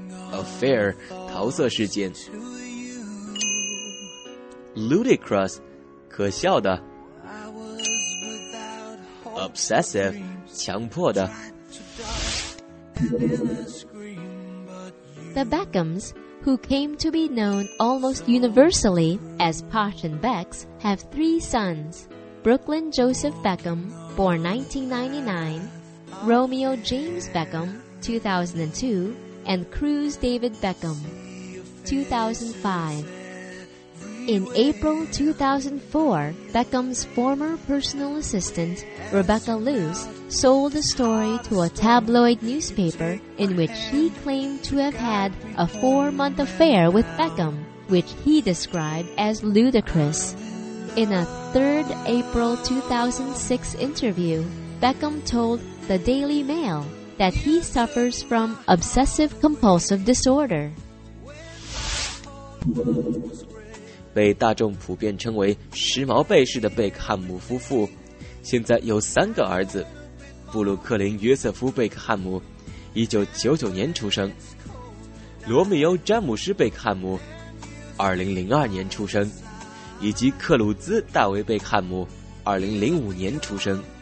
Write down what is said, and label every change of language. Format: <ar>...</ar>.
<zh>Affair 桃色事件。 Ludicrous 可笑的。 Obsessive 强迫的。</zh> <en>The Beckhams, who came to be known almost universally as Posh and Becks, have three sons: Brooklyn Joseph Beckham, born 1999, Romeo James Beckham, 2002, and Cruz David Beckham, 2005. In April 2004, Beckham's former personal assistant,Rebecca Luce sold a story to a tabloid newspaper in which she claimed to have had a four-month affair with Beckham, which he described as ludicrous. In a 3rd April 2006 interview, Beckham told the Daily Mail that he suffers from obsessive-compulsive disorder.</en> <zh>被大众普遍称为时髦贝氏的贝克汉姆夫妇现在有三个儿子，布鲁克林·约瑟夫·贝克汉姆1999年出生，罗密欧·詹姆斯·贝克汉姆2002年出生，以及克鲁兹·大卫·贝克汉姆2005年出生。</zh>